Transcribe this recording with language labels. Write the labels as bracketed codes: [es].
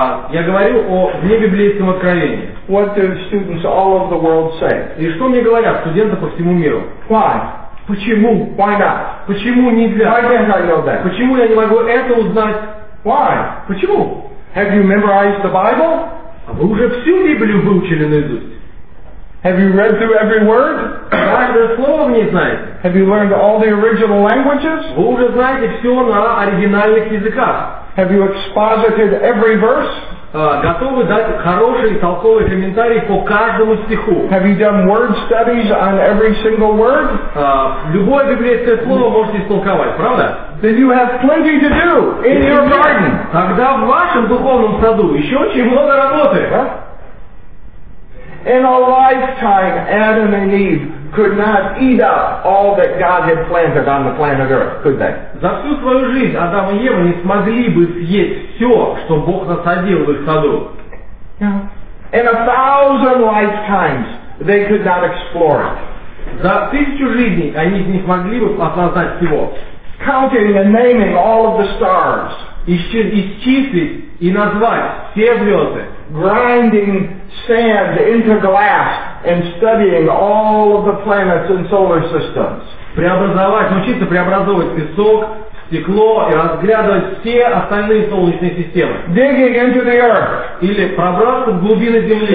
[ru] Я говорю о внебиблейском откровении. [en] What do students all over the world say? [ru] И что мне говорят студенты по всему миру? [en] Why? [ru] Почему? [en] Why not? [ru] Почему нельзя? [en] Why can't I know that? [ru] Почему я не могу это узнать? [en] Why? [ru] Почему? [en] Have you memorized the Bible? [ru] А вы уже всю Библию выучили наизусть? [en] Have you read through every word? [ru] Каждое слово вы не знаете. [en] Have you learned all the original languages? [ru] Вы уже знаете все на оригинальных языках. [en] Have you exposited every verse? [ru] Готовы дать хороший толковый комментарий по каждому стиху. [en] Have you done word studies on every single word? [ru] Любое библейское слово можете истолковать, правда? [en] Then you have plenty to do in your garden. [ru] Тогда в вашем духовном саду еще очень много работы. [en] In a lifetime, Adam and Eve could not eat up all that God had planted on the planet Earth, could they? [ru] За всю свою жизнь Адам и Ева не смогли бы съесть все, что Бог насадил в их саду. [en] In a thousand lifetimes, they could not explore it. [ru] За тысячу жизней они не смогли бы осознать всего. [en] Counting and naming all of the stars. [ru] Исчислить и назвать все звезды. [en] Grinding sand into glass and studying all of the planets and solar systems. [ru] Преобразовать, научиться преобразовывать песок, стекло и разглядывать все остальные солнечные системы. [en] Digging into the earth. [ru] Или пробраться в глубины земли.